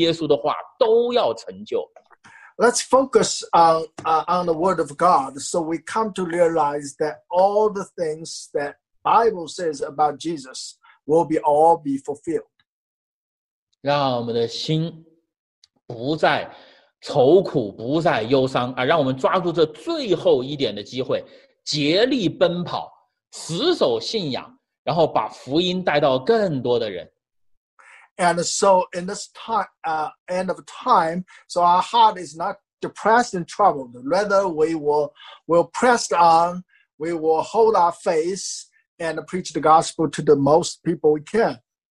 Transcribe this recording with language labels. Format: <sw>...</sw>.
<zh>让我们眼睛注目在圣经当中，我们会看见今天这个世界发生的一切，正是应验了圣经所说的一切关于耶稣的话都要成就。</zh> <en>Let's focus on the word of God so we come to realize that all the things that Bible says about Jesus will be all be fulfilled.</en> <zh>让我们的心不再 愁苦不再忧伤，让我们抓住这最后一点的机会，竭力奔跑，死守信仰，然后把福音带到更多的人。</zh> <en>And so in this time, end of time, so our heart is not depressed and troubled. Rather, we will press on, we will hold our face and preach the gospel to the most people we can.</en>